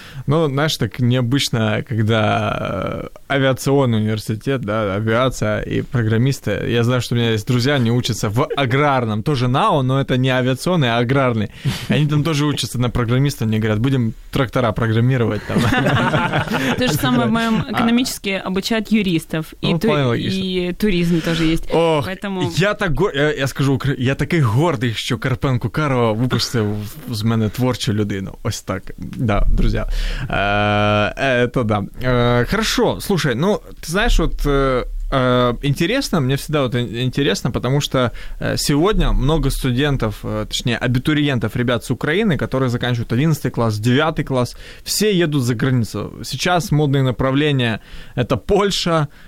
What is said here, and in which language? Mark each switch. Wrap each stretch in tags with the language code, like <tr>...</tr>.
<ru>Ну, знаешь, так необычно, когда авиационный университет, да, авиация и программисты. Я знаю, что у меня есть друзья, они учатся в аграрном. Тоже НАО, но это не авиационный, а аграрный. Они там тоже учатся на программиста. Мне говорят, будем трактора программировать там. То же самое в моем экономически обучают юристов. И туризм тоже есть.</ru> <uk>Ох, я скажу, я такий гордий, що Карпенко Карво випустив з мене творчу людину. Ось так, да, друзі.</uk> <ru>Это да. Хорошо, слушай, ну, ты знаешь, вот интересно, мне всегда вот интересно, потому что сегодня много студентов, точнее, абитуриентов, ребят с Украины, которые заканчивают 11 класс, 9 класс, все едут за границу. Сейчас модные направления — это Польша,</ru>